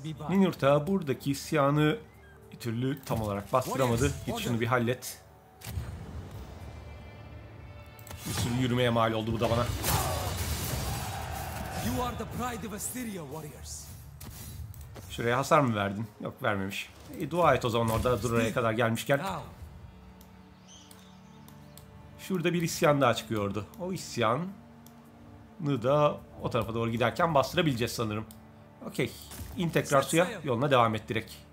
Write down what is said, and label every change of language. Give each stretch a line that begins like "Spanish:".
Turkish: Ninurta buradaki isyanı bir türlü tam olarak bastıramadı. Git şunu bir hallet. Bir sürü yürümeye mal oldu bu da bana.
English: You are the pride of Asteria warriors.
Turkish: Şuraya hasar mı verdin? Yok, vermemiş. Dua et o zaman orada duraya kadar gelmişken. Şurada bir isyan daha çıkıyordu. O isyanı da o tarafa doğru giderken bastırabileceğiz sanırım. Okey. İn tekrar suya. Yoluna devam et direkt.